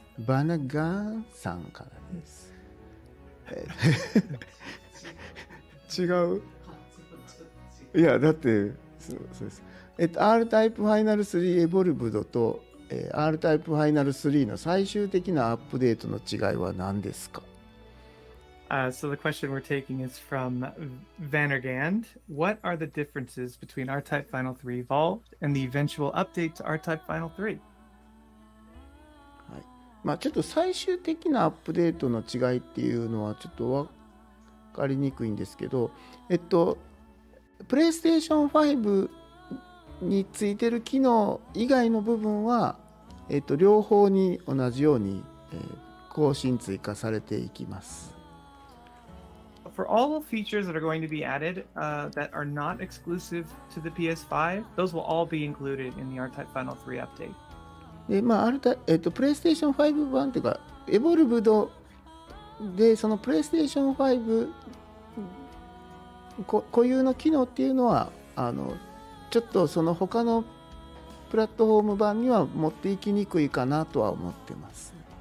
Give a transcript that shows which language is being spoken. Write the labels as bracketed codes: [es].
[ja] バナガンさんからです。違う、いやだってそうです。 R タイプファイナル3エボルブドとR タイプファイナル3の最終的なアップデートの違いは何ですか。 [en] So the question we're taking is from Vannergand. What are the differences between R Type Final 3 Evolved and the eventual update to R Type Final [ja] 3? はい。まあちょっと最終的なアップデートの違いっていうのはちょっと分かりにくいんですけど、PlayStation 5についてる機能以外の部分は、両方に同じように、更新追加されていきます。 [en] For all the features that are going to be added, that are not exclusive to the PS5, those will all be included in the R-Type Final 3 update. [ja] で、まあ、PlayStation 5版っていうか、Evolved で、その PlayStation 5固有の機能っていうのは、ちょっとその他のプラットフォーム版には持っていきにくいかなとは思ってます。